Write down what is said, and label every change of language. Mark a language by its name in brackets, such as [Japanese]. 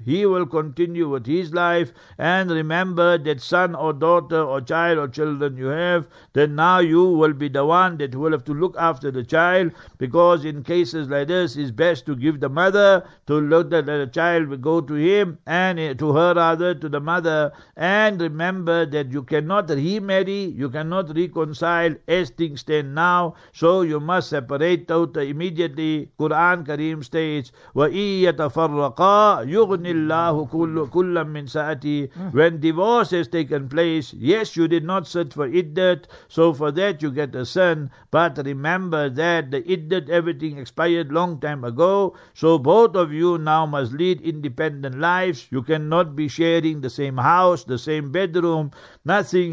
[English] He will continue with his life. And remember that son or daughter or child or children you have, then now you will be the one that will have to look after the child, because in cases like this, it's best to give the mother to look that the child will go to him, and to her rather, to the mother. And remember that you cannot remarry, you cannot reconcile as things stand now, so you must separate totally immediately. Quran Kareem states, [Arabic] وَإِن يَتَفَرَّقَا يُغْنِ اللَّهُ كُلًّا مِّن سَأَتِي. [English] When divorce has taken place, yes, you did not sit for iddat, so for that you get a sin, but remember that the iddat, everything expired long time ago, so both of you now must lead independent lives. You cannot be sharing the same house, the same bedroom, nothing.